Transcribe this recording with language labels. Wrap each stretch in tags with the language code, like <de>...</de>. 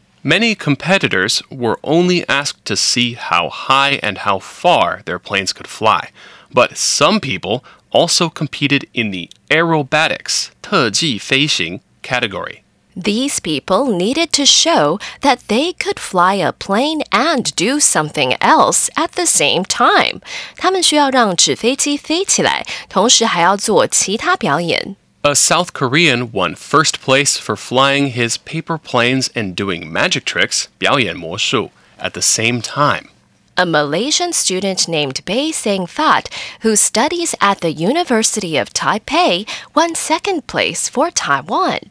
<en>Many competitors were only asked to see how high and how far their planes could fly. But some people also competed in the aerobatics, 特技飞行, category. These people needed to show that they could fly a plane and do something else at the same time.</en> <zh>他们需要让纸飞机飞起来,同时还要做其他表演。</zh> <en>A South Korean won first place for flying his paper planes and doing magic tricks, 表演魔术, at the same time. A Malaysian student named Bei Seng Fat, who studies at the University of Taipei, won second place for Taiwan.</en>